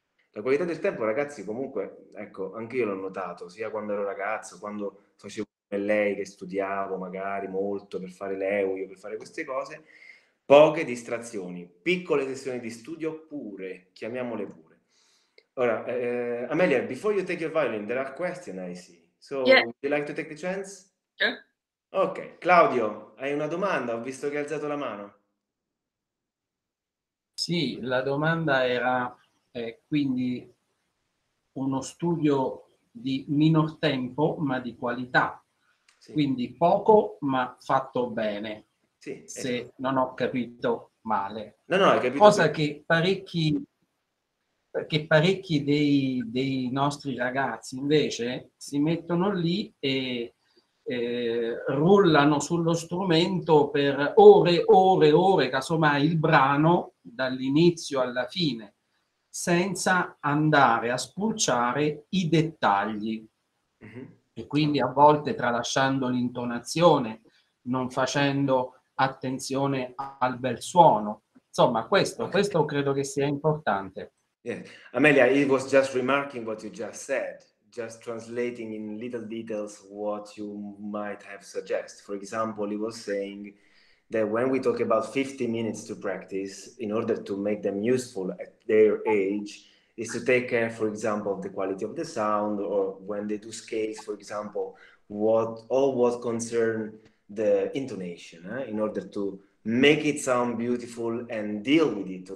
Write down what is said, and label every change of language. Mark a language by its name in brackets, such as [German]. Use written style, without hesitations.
[Italian] La qualità del tempo, ragazzi, comunque, ecco, anche io l'ho notato, sia quando ero ragazzo, quando facevo lei che studiavo magari molto per fare l'euio, per fare queste cose. Poche distrazioni, piccole sessioni di studio pure, chiamiamole pure. Ora, [English] Amelia, before you take your violin, there are questions I see. So, yeah. Would you like to take the chance? Yeah. [Italian] Ok, Claudio, hai una domanda? Ho visto che hai alzato la mano. Sì, la domanda era, quindi, uno studio di minor tempo, ma di qualità. Sì. Quindi poco, ma fatto bene. Sì, se non ho capito male. No, hai capito. Cosa che parecchi dei nostri ragazzi invece si mettono lì e rullano sullo strumento per ore, casomai il brano dall'inizio alla fine, senza andare a spulciare i dettagli. Mm-hmm. E quindi a volte tralasciando l'intonazione, non facendo attenzione al bel suono, insomma, questo credo che sia importante. [English] Yeah. Amelia, it was just remarking what you just said, just translating in little details what you might have suggested. For example, he was saying that when we talk about 50 minutes to practice, in order to make them useful at their age, is to take care, for example, of the quality of the sound, or when they do scales, for example, what concern the intonation, in order to make it sound beautiful and deal with it.